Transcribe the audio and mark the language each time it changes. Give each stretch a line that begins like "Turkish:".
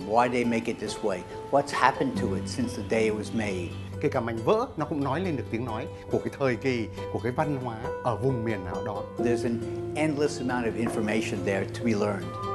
English: Why did they make it this way? What's happened to it since the day it was made?
Vietnamese: Kể cả mảnh vỡ, nó cũng nói lên được tiếng nói của cái thời kỳ, của cái văn hóa ở vùng miền nào đó.
English: There's an endless amount of information there to be learned.